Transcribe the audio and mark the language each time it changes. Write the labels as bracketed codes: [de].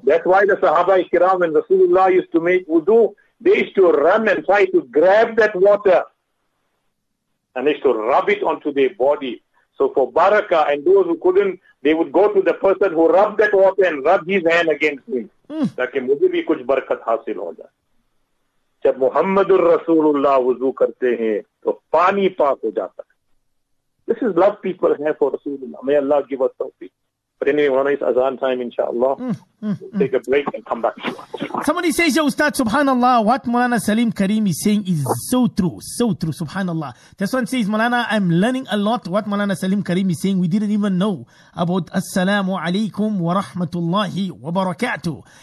[en] That's why the Sahaba Ikram and Rasulullah used to make wuzu. They used to run and try to grab that water. And they used to rub it onto their body. So for barakah and those who couldn't, they would go to the person who rubbed that water and rub his hand against me. [ur] Taki mujhe bhi kuch barakat hasil ho jaye. جب محمد الرسول اللہ وضو کرتے ہیں تو پانی پاک ہو جاتا ہے. [en] This is love people have for Rasulullah. May Allah give us tawfiq. But anyway, when it's Azan time, inshallah, we'll take a break and come back. Somebody says, Yo, Ustaz, subhanAllah, what Mawlana Salim Karim is saying is so true. So true, subhanAllah. This one says, Mawlana, I'm learning a lot what Mawlana Salim Karim is saying. We didn't even know about Assalamu alaikum wa rahmatullahi wa barakatuh.